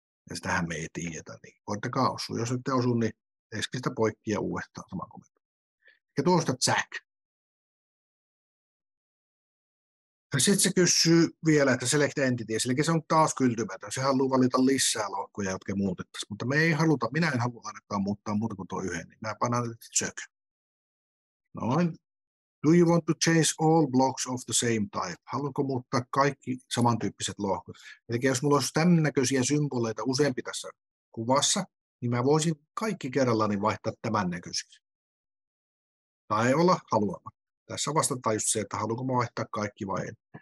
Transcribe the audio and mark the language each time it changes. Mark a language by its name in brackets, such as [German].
[Finnish] Ja sitähän me ei tiedetä, niin voittakaa osua. Jos ette osu, niin eskistä poikki ja uudestaan sama komento. Ja tuosta check. Ja sitten se kysyy vielä, että [English] select entity, [Finnish] eli se on taas kyltymätön. Se haluaa valita lisää lohkoja, jotka muutettaisiin, mutta me ei haluta, minä en halua ainakaan muuttaa muuta kuin tuo yhden, niin mä panan check. Noin. [English] Do you want to change all blocks of the same type? [Finnish] Haluatko muuttaa kaikki samantyyppiset lohkot? Eli jos mulla olisi tämän näköisiä symboleita useampi tässä kuvassa, niin mä voisin kaikki kerrallani vaihtaa tämän näköisiksi. Tai olla haluamatta. Tässä vastataan just se, että haluanko mä vaihtaa kaikki vai en.